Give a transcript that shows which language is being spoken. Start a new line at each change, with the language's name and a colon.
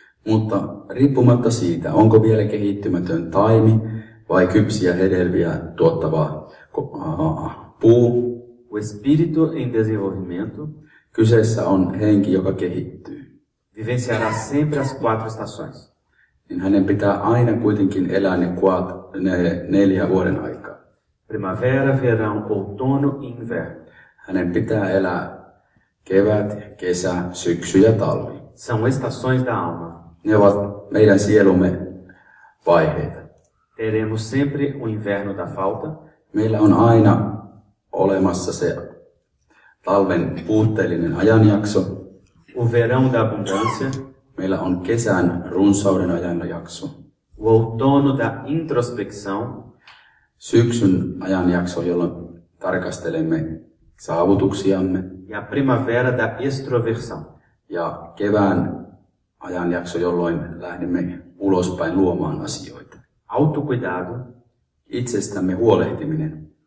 Finnish: mutta riippumatta siitä, onko vielä kehittymätön taimi vai kypsiä hedelmiä tuottava puu,
Portuguese: o espírito em desenvolvimento,
Finnish: kyseessä on henki, joka kehittyy.
Portuguese: Vivenciará sempre as quatro estações.
Finnish: Niin hänen pitää aina kuitenkin elää ne 4 vuoden aikaa.
Portuguese: Primavera, verão, outono e inverno.
Finnish: Hänen pitää elää kevät, kesä, syksy ja talvi.
Portuguese: São estações da alma.
Finnish: Ne ovat meidän sielumme vaiheita.
Portuguese: Teremos sempre o inverno da falta.
Finnish: Meillä on aina olemassa se talven puutteellinen ajanjakso.
Portuguese: O verão da abundância.
Finnish: Meillä on kesän runsauden ajanjakso.
Portuguese: O outono da introspecção.
Finnish: Syksyn ajanjakso, jolloin tarkastelemme saavutuksiamme. Ja
Portuguese: primavera da extroversão.
Finnish: Ja kevään ajanjakso, jolloin lähdemme ulospäin luomaan asioita.
Portuguese: Autocuidado.
Finnish: Itsestämme huolehtiminen.